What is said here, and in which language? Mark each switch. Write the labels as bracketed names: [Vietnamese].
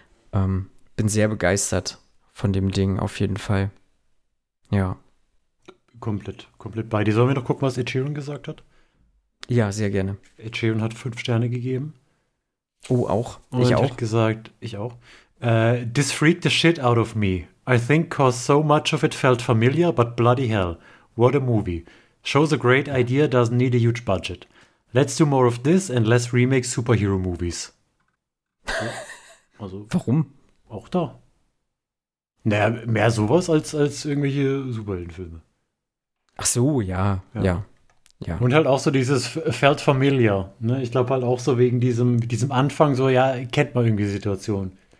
[German] Bin sehr begeistert von dem Ding, auf jeden Fall. Ja. Komplett, komplett bei dir. Sollen wir noch gucken, was Ed Sheeran gesagt hat? Ja, sehr gerne. Ed Sheeran hat 5 Sterne gegeben. Oh, auch? Und ich auch. Hat gesagt, ich auch. [English] This freaked the shit out of me. I think 'cause so much of it felt familiar, but bloody hell. What a movie. Shows a great idea, doesn't need a huge budget. Let's do more of this and less remake superhero movies. [German] Also, warum? Auch da. Naja, mehr sowas als irgendwelche Superheldenfilme. Ach so, ja, ja, ja, ja. Und halt auch so dieses [English] felt familiar. [German] Ne? Ich glaube halt auch so wegen diesem Anfang so, ja, kennt man irgendwie die Situation.